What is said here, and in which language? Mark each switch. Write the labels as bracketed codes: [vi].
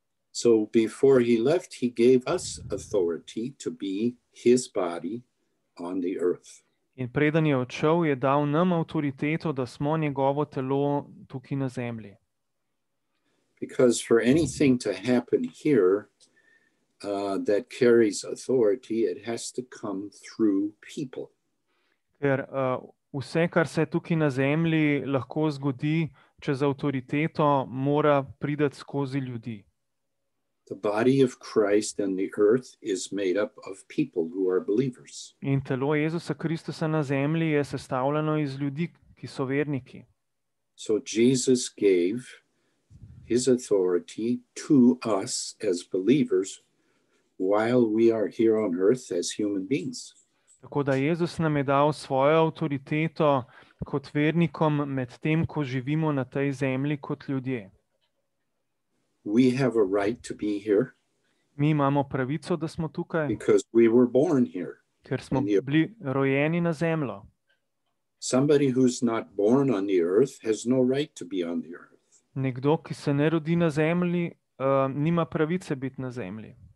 [en] So before he left, he gave us authority to be his body on the earth. [sl] In preden je odšel, je dal nam avtoriteto, da smo njegovo telo tukaj na zemlji. [en] Because for anything to happen here that carries authority, it has to come through people. [sl] Ker vse, kar se tukaj na zemlji lahko zgodi, čez avtoriteto mora pridati skozi ljudi. [en] The body of Christ and the earth is made up of people who are believers. [sl] In telo Jezusa Kristusa na zemlji je sestavljeno iz ljudi, ki so verniki. [en] So Jesus gave his authority to us as believers while we are here on earth as human beings. [sl] Tako da Jezus nam je dal svojo avtoriteto kot vernikom med tem, ko živimo na tej zemlji kot ljudje. [en] We have a right to be here. [sl] Mi imamo pravico, da smo tukaj. [en] Because we were born here. [sl] Ker smo bili rojeni na zemljo. [en] Somebody who's not born on the earth has no right to be on the earth. [sl] Nekdo, ki se ne rodi na zemlji, nima pravice biti na zemlji.